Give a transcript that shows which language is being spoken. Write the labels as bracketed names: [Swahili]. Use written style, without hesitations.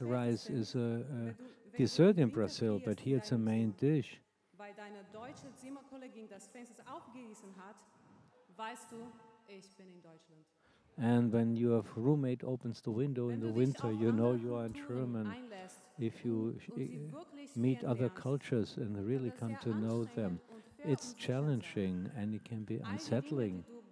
[English] rice is a dessert in Brazil, but here it's a main dish. [German] Weil deine deutsche Zimmerkollegin das Fenster aufgerissen hat, weißt du, ich bin in Deutschland. [English] And when your roommate opens the window in the winter, you know you are in German. If you meet other cultures and really come to know them, it's challenging and it can be unsettling.